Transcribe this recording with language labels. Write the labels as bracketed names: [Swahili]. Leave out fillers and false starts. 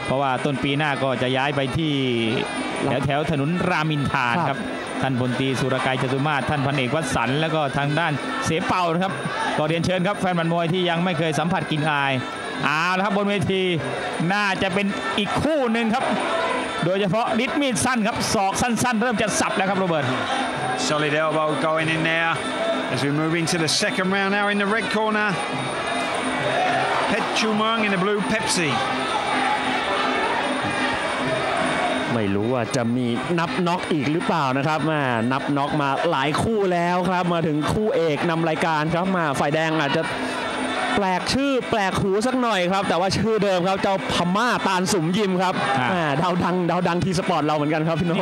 [Thai] เพราะว่าต้นปีหน้าก็จะย้ายไปที่แถวถนนรามินทาครับท่านพลตรีสุรกายจตุมาศท่านพันเอกวัชสันแล้วก็ทางด้านเสเป่านะครับก็เรียนเชิญครับแฟนบันมวยที่ยังไม่เคยสัมผัสกินอายเอาละครับบนเวทีน่าจะเป็นอีกคู่นึงครับโดยเฉพาะลิดมีดสั้นครับศอกสั้นๆเริ่มจะสับแล้วครับโรเบิร์ต [English] Solid elbow going in there as we move into the second round now in the red corner Pet Chu Mung in the blue Pepsi [Thai] ไม่รู้ว่าจะมีนับน็อกอีกหรือเปล่านะครับมานับน็อกมาหลายคู่แล้วครับมาถึงคู่เอกนำรายการครับมาฝ่ายแดงอาจจะแปลกชื่อแปลกหูสักหน่อยครับแต่ว่าชื่อเดิมครับเจ้าพม่าตาลสมยิมครับดาวดังทีสปอร์ตเราเหมือนกันครับพี่น้อง